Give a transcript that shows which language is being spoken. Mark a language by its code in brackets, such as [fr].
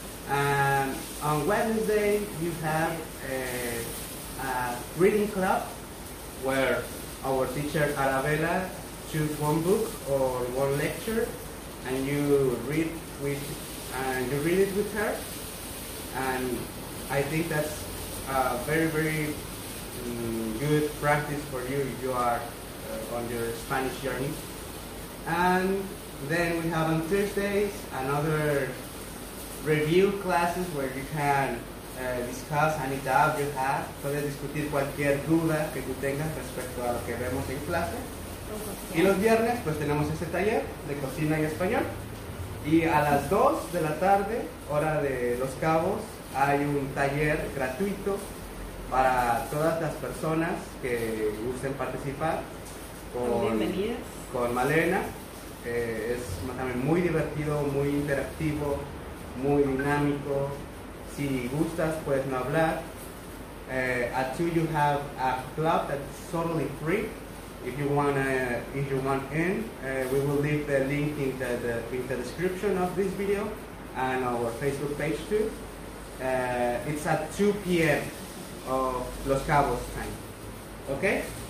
[en] And on Wednesday, you have a reading club where our teacher Arabella choose one book or one lecture and you read with and you read it with her, and I think that's a very, very good practice for you if you are on your Spanish journey. And then we have on Thursdays another review classes where you can discuss any doubt you have. [es] Puedes discutir cualquier duda que tú tengas respecto a lo que vemos en clase. Y los viernes pues tenemos ese taller de cocina en español. Y a las 2 de la tarde, hora de Los Cabos, hay un taller gratuito para todas las personas que gusten participar con Malena. Es también muy divertido, muy interactivo, muy dinámico. Si gustas, puedes no hablar. [en] At 2 you have a club that's totally free. If you want in, we will leave the link in the description of this video and our Facebook page too. It's at 2 p.m. of Los Cabos time. Okay?